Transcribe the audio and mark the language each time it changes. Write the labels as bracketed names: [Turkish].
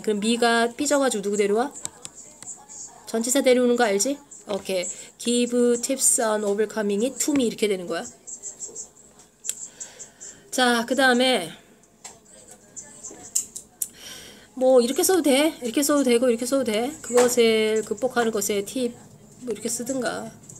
[Korean] 그럼 미가 삐져가지고 누구 데려와? 전치사 데려오는 거 알지? 오케이. [English] Give tips on overcoming it to me. 이렇게 되는 거야. [Korean] 자, 그 다음에, 뭐, 이렇게 써도 돼. 이렇게 써도 되고, 이렇게 써도 돼. 그것을 극복하는 것에 팁, 뭐, 이렇게 쓰든가.